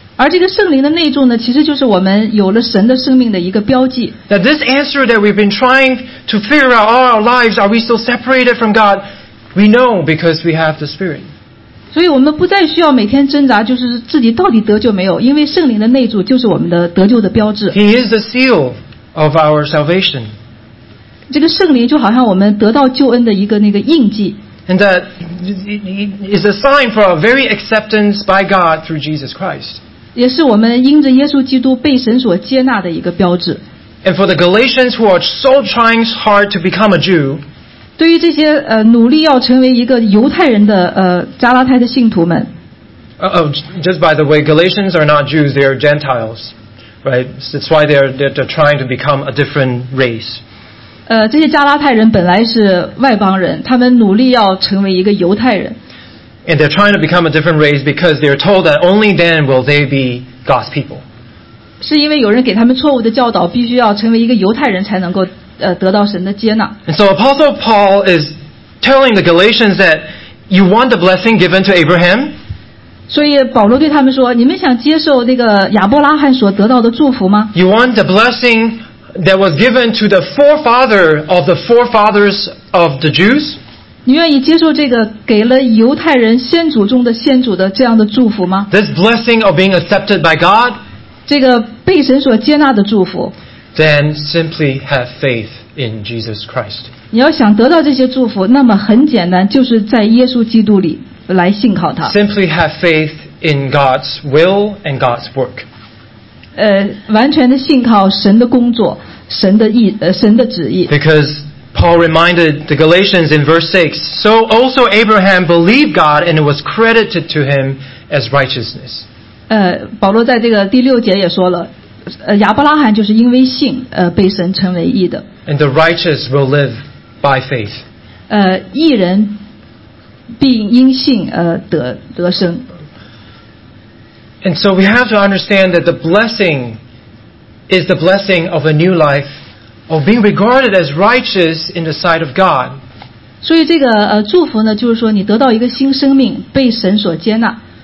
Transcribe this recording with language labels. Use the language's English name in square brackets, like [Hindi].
[Chinese] 而这个圣灵的内住呢，其实就是我们有了神的生命的一个标记。 [English] That this answer that we've been trying to figure out all our lives, are we still separated from God? We know because we have the Spirit. [Chinese] 所以我们不再需要每天挣扎，就是自己到底得救没有，因为圣灵的内住就是我们的得救的标志。 [English] He is the seal of our salvation. [Chinese] 这个圣灵就好像我们得到救恩的一个那个印记。 [English] And that is a sign for our very acceptance by God through Jesus Christ. [Chinese] 也是我们因着耶稣基督被神所接纳的一个标志。 [English] And for the Galatians who are so trying hard to become a Jew, [Chinese] 对于这些努力要成为一个犹太人的加拉太的信徒们。 [English] Oh, just by the way, Galatians are not Jews; they are Gentiles, right? That's why they're trying to become a different race. [Chinese] 这些加拉太人本来是外邦人，他们努力要成为一个犹太人。 [English] And they're trying to become a different race because they're told that only then will they be God's people. [Chinese] 是因为有人给他们错误的教导，必须要成为一个犹太人才能够得到神的接纳。 [English] And so Apostle Paul is telling the Galatians that you want the blessing given to Abraham. [Chinese] 所以保罗对他们说，你们想接受那个亚伯拉罕所得到的祝福吗？ [English] You want the blessing that was given to the forefather of the forefathers of the Jews? [Chinese] 你愿意接受这个给了犹太人先祖中的先祖的这样的祝福吗？ [English] This blessing of being accepted by God, [Chinese] 这个被神所接纳的祝福。 [English] Then simply have faith in Jesus Christ. [Chinese] 你要想得到这些祝福，那么很简单，就是在耶稣基督里来信靠他。 [English] Simply have faith in God's will and God's work. [Chinese] 完全的信靠神的工作，神的意，神的旨意。 [English] Because Paul reminded the Galatians in verse 6, So also Abraham believed God and it was credited to him as righteousness. [Chinese] 保罗在这个第六节也说了，亚伯拉罕就是因为信，被神称为义的。 [English] And the righteous will live by faith. [Chinese] 义人并因信得生。 [English] And so we have to understand that the blessing is the blessing of a new life. Of being regarded as righteous in the sight of God. [Chinese] 所以这个祝福呢，就是说你得到一个新生命，被神所接纳。